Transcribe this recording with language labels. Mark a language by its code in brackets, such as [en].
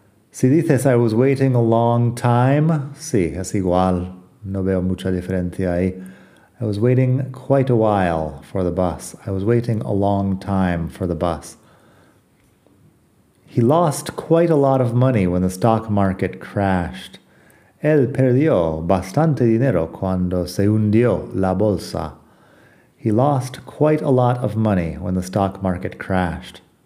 [es] Si dices, [en] I was waiting a long time, [es] sí, es igual, no veo mucha diferencia ahí. [en] I was waiting quite a while for the bus. I was waiting a long time for the bus. He lost quite a lot of money when the stock market crashed. [es] Él perdió bastante dinero cuando se hundió la bolsa. [en] He lost quite a lot of money when the stock market crashed.